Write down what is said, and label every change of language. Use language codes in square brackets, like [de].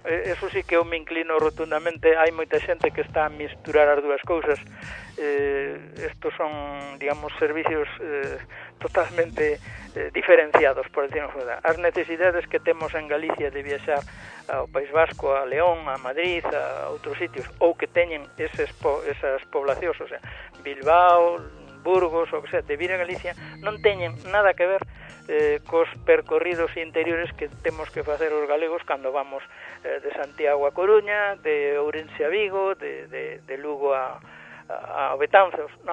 [gl] Eso sí que eu me inclino rotundamente. Hai moita xente que está a misturar as dúas cousas. [es] Estos son, digamos, servicios totalmente diferenciados, por decirlo así. [gl] As necesidades que temos en Galicia de viaxar ao País Vasco, a León, a Madrid, a outros sitios, ou que teñen esas poblacións, o sea, Bilbao, Burgos, ou que sea, de vir a Galicia, non teñen nada que ver cos percorridos interiores que temos que facer os galegos cando vamos de Santiago a Coruña, de Ourense a Vigo, de Lugo a Betanzos.